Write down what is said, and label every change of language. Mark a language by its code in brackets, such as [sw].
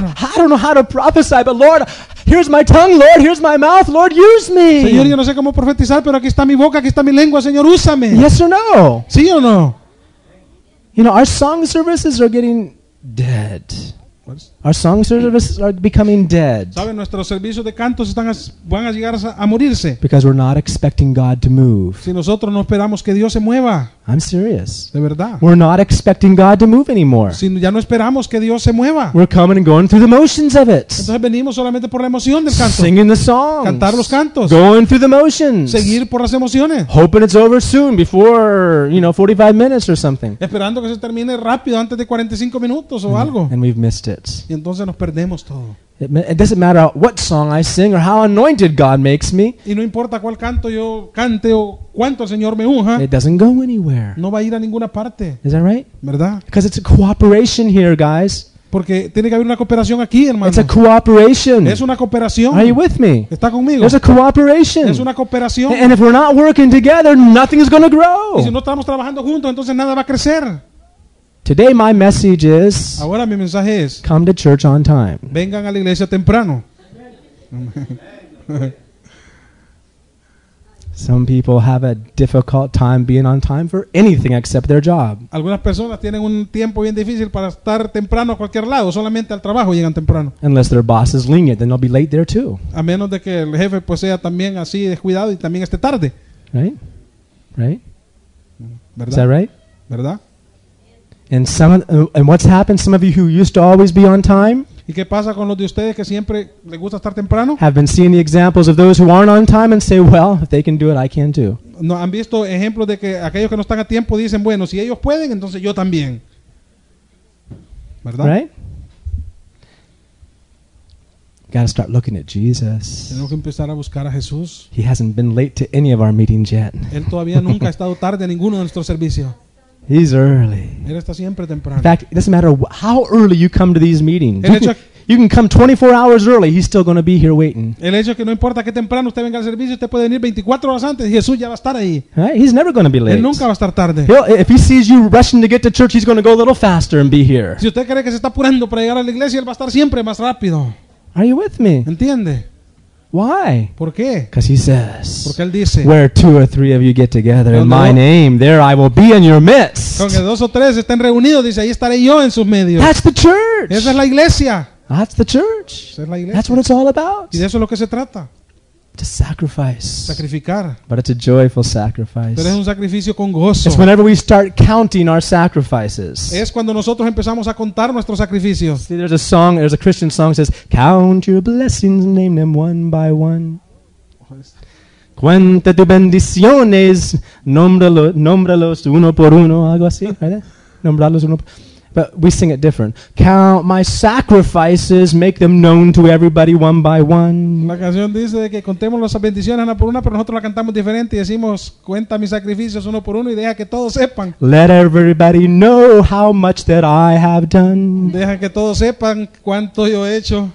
[en] I don't know how to prophesy, but Lord, here's my tongue, Lord. Here's my mouth, Lord. Use me. [es] Señor, yo no sé cómo profetizar, pero aquí está mi boca, aquí está mi lengua, Señor, úsame. [en] Yes or no? [es] Sí o no? [en] You know, our song services are getting dead. Our song services are becoming dead. [es] ¿Saben? Nuestros servicios de cantos van a llegar a morirse. [en] Because we're not expecting God to move. [es] Si nosotros no esperamos que Dios se mueva. [en] I'm serious. [es] De verdad. [en] We're not expecting God to move anymore. [es] Si ya no esperamos que Dios se mueva. [en] We're coming and going through the motions of it. [es] Entonces venimos solamente por la emoción del canto. [en] Singing the songs. [es] Cantar los cantos. [en] Going through the motions. [es] Seguir por las emociones. [en] Hoping it's over soon, before, you know, 45 minutes or something. [es] Esperando que se termine rápido antes de 45 minutos o algo. [en] And we've missed it. [es] Y entonces nos perdemos todo. [en] It doesn't matter what song I sing or how anointed God makes me. [es] Y no importa cuál canto yo cante o cuánto el Señor me unja. [en] It doesn't go anywhere. [es] No va a ir a ninguna parte. [en] Is that right? [es] ¿Verdad? [en] Because it's a cooperation here, guys. [es] Porque tiene que haber una cooperación aquí, hermano. [en] It's a cooperation. [es] Es una cooperación. [en] Are you with me? [es] ¿Está conmigo? [en] There's a cooperation. [es] Es una cooperación. [en] And if we're not working together, nothing is going to grow. [es] Y si no estamos trabajando juntos, entonces nada va a crecer. [en] Today my message is, [es] ahora mi mensaje es, [en] come to church on time. [es] Vengan a la iglesia temprano. [en] Some people have a difficult time being on time for anything except their job. [es] Algunas personas tienen un tiempo bien difícil para estar temprano a cualquier lado, solamente al trabajo llegan temprano. [en] Unless their boss is lenient, then they'll be late there too. [es] A menos de que el jefe pues sea también así descuidado y también esté tarde. [en] Right? Right? [es] ¿Verdad? [en] Is that right? [es] ¿Verdad? [en] And what's happened? Some of you who used to always be on time. [es] ¿Y qué pasa con los de ustedes que siempre les gusta estar temprano? [en] Have been seeing the examples of those who aren't on time and say, "Well, if they can do it, I can too." [es] No, han visto ejemplos de que aquellos que no están a tiempo dicen, "Bueno, si ellos pueden, entonces yo también." ¿Verdad? [en] Right? Gotta start looking at Jesus. [es] Tenemos que empezar a buscar a Jesús. [en] He hasn't been late to any of our meetings yet. [es] Él todavía nunca ha estado tarde en ninguno de nuestros servicios. [en] He's early. [es] Él está siempre temprano. [en] In fact, it doesn't matter how early you come to these meetings. You can come 24 hours early, he's still going to be here waiting. [es] El hecho que no importa qué temprano usted venga al servicio, usted puede venir 24 horas antes, Jesús ya va a estar ahí. [en] Right? He's never going to be late. [es] Él nunca va a estar tarde. [en] If he sees you rushing to get to church, he's going to go a little faster and be here. [es] Si usted cree que se está apurando para llegar a la iglesia, él va a estar siempre más rápido. [en] Are you with me? [es] ¿Entiende? [en] Why? [es] ¿Por qué? [en] Because he says, [es] porque él dice, [en] where two or three of you get together in my name, there I will be in your midst. [es] Donde dos o tres estén reunidos, dice, ahí estaré yo en sus medios. [en] That's the church. [es] Esa es la iglesia. [en] That's the church. [es] Esa es la iglesia. [en] That's what it's all about. [es] Y de eso es lo que se trata. [en] To sacrifice. [es] Sacrificar. [en] But it's a joyful sacrifice. [es] Pero es un sacrificio con gozo. [en] It's whenever we start counting our sacrifices. [es] Es cuando nosotros empezamos a contar nuestros sacrificios. [en] See, there's a song, there's a Christian song that says, count your blessings, name them one by one. [es] Cuenta tus bendiciones, nómbralos uno por uno, algo así, nómbralos uno por uno. [en] But we sing it different. Count my sacrifices, make them known to everybody one by one. [es] La canción dice que contemos las bendiciones una por una, pero nosotros la cantamos diferente y decimos, cuenta mis sacrificios uno por uno y deja que todos sepan. [en] Let everybody know how much that I have done. [es] Deja que todos sepan cuánto yo he hecho.